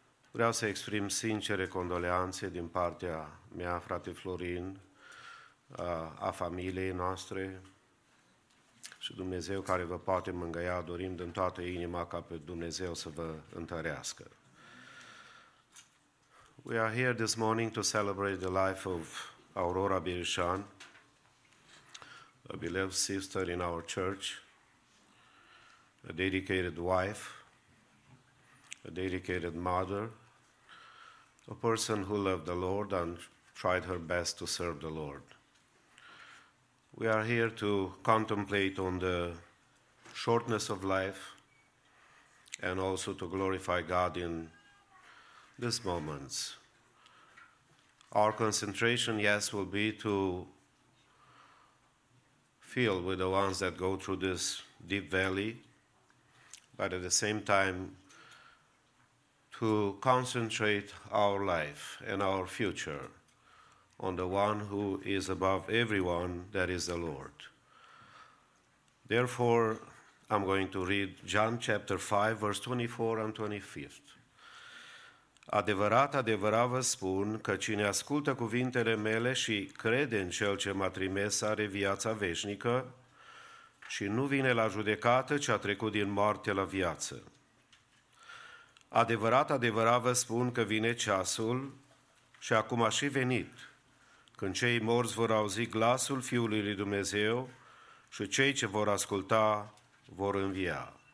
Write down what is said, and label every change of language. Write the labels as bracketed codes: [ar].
[ro] Vreau să exprim sincere condoleanțe din partea mea, frate Florin, a familiei noastre și Dumnezeu care vă poate mângâia, dorim din toată inima ca pe Dumnezeu să vă întărească. [en] We are here this morning to celebrate the life of Aurora Birishan, a beloved sister in our church, a dedicated wife, a dedicated mother, a person who loved the Lord and tried her best to serve the Lord. We are here to contemplate on the shortness of life and also to glorify God in these moments. Our concentration, yes, will be to feel with the ones that go through this deep valley, but at the same time to concentrate our life and our future on the one who is above everyone, that is the Lord. Therefore, I'm going to read John chapter 5, verse 24 and 25. [ro] Adevărat, adevărat vă spun că cine ascultă cuvintele mele și crede în cel ce m-a trimis are viața veșnică și nu vine la judecată, ci a trecut din moarte la viață. Adevărat, adevărat vă spun că vine ceasul și acum a și venit, când cei morți vor auzi glasul Fiului lui Dumnezeu și cei ce vor asculta vor învia.